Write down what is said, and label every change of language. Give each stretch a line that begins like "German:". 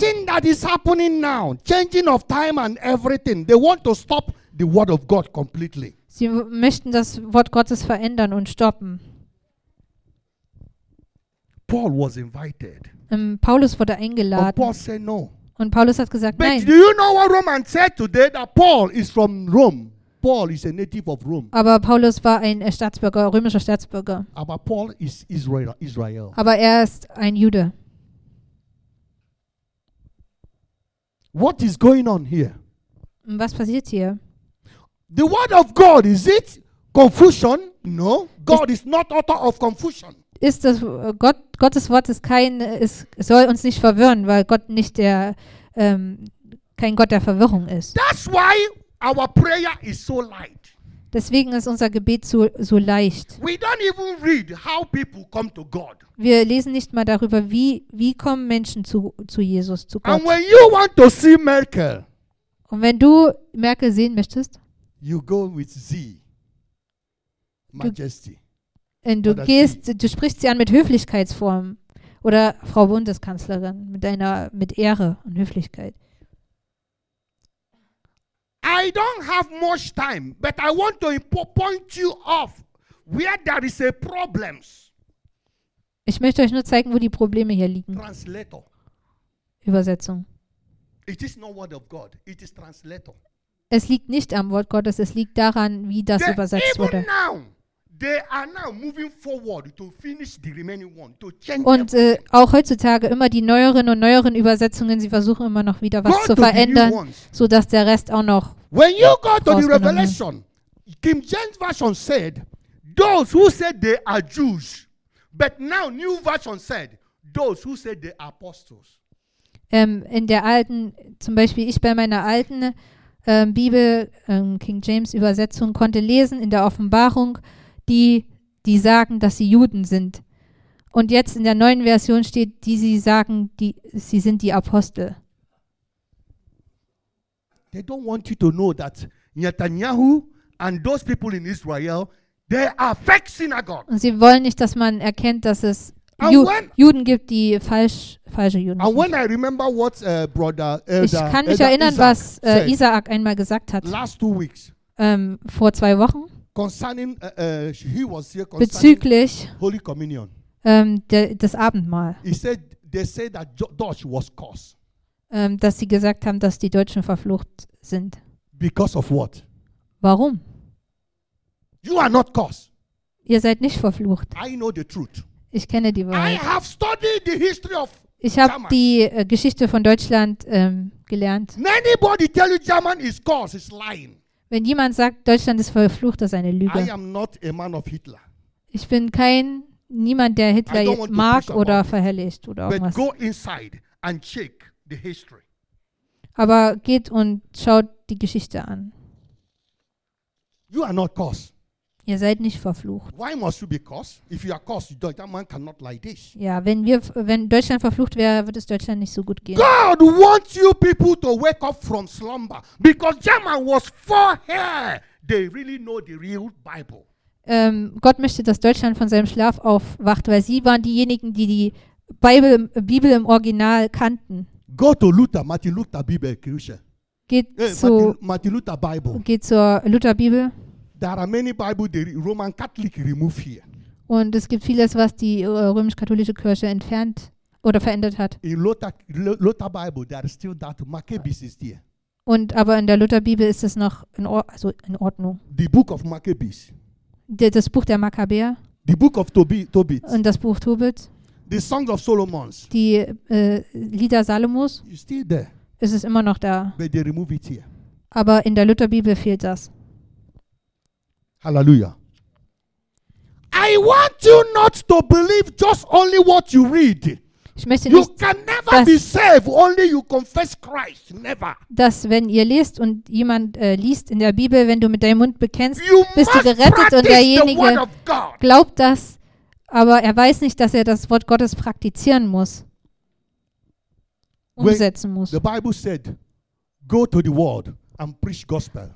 English: Thing that is happening now, changing of time and everything, they want to stop the word of God completely.
German: Sie möchten das Wort Gottes verändern und stoppen.
English: Paul was invited.
German: Paulus wurde eingeladen.
English: But Paul said no.
German: Und Paulus hat gesagt
English: but
German: nein.
English: Do you know what Roman said today that Paul is from Rome? Paul is a native of Rome.
German: Aber Paulus war ein Staatsbürger, römischer Staatsbürger. Aber Paul ist Israel. Aber er ist ein Jude.
English: What is going on here?
German: Was passiert hier?
English: The word of God, is it confusion? No, God is not author of confusion.
German: Ist das Gottes Wort ist kein ist, soll uns nicht verwirren, weil Gott nicht der kein Gott der Verwirrung ist.
English: That's why our prayer is so light.
German: Deswegen ist unser Gebet so leicht.
English: We don't even read how people come to God.
German: Wir lesen nicht mal darüber, wie kommen Menschen zu Jesus, zu Gott.
English: And when you want to see Merkel,
German: und wenn du Merkel sehen möchtest,
English: you go with sie, Majesty.
German: Und du gehst, du sprichst sie an mit Höflichkeitsform oder Frau Bundeskanzlerin mit Ehre und Höflichkeit.
English: I don't have much time, but I want to point you off where there is a problems.
German: Ich möchte euch nur zeigen, wo die Probleme hier liegen.
English: Translator.
German: Übersetzung.
English: It is not word of God, it is translator.
German: Es liegt nicht am Wort Gottes, es liegt daran, wie das
English: they
German: übersetzt
English: even
German: wurde.
English: Now, they are now moving forward to finish the remaining one, to change.
German: Und auch heutzutage immer die neueren und neueren Übersetzungen, sie versuchen immer noch wieder was
English: go
German: zu verändern, so dass der Rest auch noch.
English: When you go to the Revelation, King James Version said, those who said they are Jews, but now New Version said, those who said they are apostles.
German: In der alten, zum Beispiel ich bei meiner alten Bibel, King James Übersetzung, konnte lesen in der Offenbarung, die sagen, dass sie Juden sind. Und jetzt in der neuen Version steht, sie sind die Apostel.
English: They don't want you to know that Netanyahu and those people in Israel, they are fake synagogue.
German: Und sie wollen nicht, dass man erkennt, dass es Juden gibt, die falsche Juden
English: and when I remember what, brother Elder,
German: ich kann mich
English: Elder
German: erinnern, Isaac was Isaac einmal gesagt hat,
English: last 2 weeks,
German: vor 2 Wochen,
English: concerning, he was here concerning
German: bezüglich
English: Holy Communion.
German: Des Abendmahl. Dass sie gesagt haben, dass die Deutschen verflucht sind.
English: Because of what?
German: Warum?
English: You are not cursed.
German: Ihr seid nicht verflucht.
English: I know the truth.
German: Ich kenne die Wahrheit.
English: I have studied the history of
German: ich habe die Geschichte von Deutschland gelernt.
English: Anybody tell you German is cursed, is lying.
German: Wenn jemand sagt, Deutschland ist verflucht, das ist eine Lüge.
English: I am not a man of Hitler.
German: Ich bin niemand, der Hitler mag oder verherrlicht oder irgendwas.
English: But go inside and check the history.
German: Aber geht und schaut die Geschichte an.
English: You are not cursed.
German: Ihr seid nicht verflucht.
English: Why must you be cursed? If you are cursed, that man cannot like this.
German: Ja, wenn Deutschland verflucht wäre, würde es Deutschland nicht so gut gehen.
English: God wants you people to wake up from slumber, because German was for her. They really know the real Bible.
German: Gott möchte, dass Deutschland von seinem Schlaf aufwacht, weil sie waren diejenigen, die die Bibel im Original kannten.
English: Go to Luther, Martin Luther Bible Kirche.
German: Geht zu
English: Martin Luther Bible.
German: Geht zur Luther Bibel.
English: There are many Bible the Roman Catholic remove here.
German: Und es gibt vieles, was die römisch-katholische Kirche entfernt oder verändert hat.
English: In Luther Bible there is still that Maccabees is there.
German: Und aber in der Lutherbibel ist es noch in Ordnung.
English: The Book of Maccabees.
German: Das Buch der Makkabäer.
English: The Book of Tobit.
German: Und das Buch Tobit.
English: The Songs of Solomon's.
German: Die Lieder Salomos.
English: It's still there.
German: Ist es immer noch da.
English: But they remove it here.
German: Aber in der Lutherbibel fehlt das.
English: Hallelujah. I want you not to believe just only what you read. You can never be saved only you confess Christ. Never.
German: Dass wenn ihr lest und jemand liest in der Bibel, wenn du mit deinem Mund bekennst, bist du gerettet und derjenige glaubt das, aber er weiß nicht, dass er das Wort Gottes praktizieren muss. Umsetzen muss.
English: The Bible said, go to the word. And preach gospel.